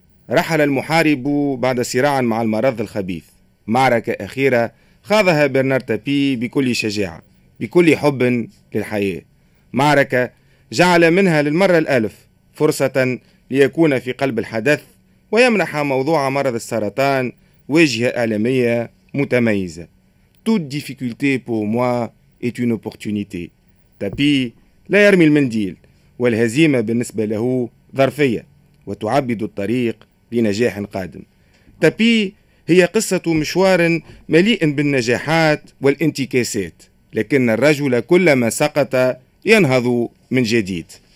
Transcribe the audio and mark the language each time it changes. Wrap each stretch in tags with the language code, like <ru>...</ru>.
<ar>رحل المحارب بعد صراع مع المرض الخبيث، معركة أخيرة خاضها برنارد تابي بكل شجاعة، بكل حب للحياة، معركة جعل منها للمرة الألف فرصة ليكون في قلب الحدث ويمنح موضوع مرض السرطان وجهة إعلامية متميزة.</ar> <fr>Toute difficulté pour moi est une opportunité.</fr> <ar>تابي لا يرمي المنديل، والهزيمة بالنسبة له ظرفية وتعبد الطريق لنجاح قادم. تابي هي قصة مشوار مليء بالنجاحات والانتكاسات، لكن الرجل كلما سقط ينهض من جديد.</ar>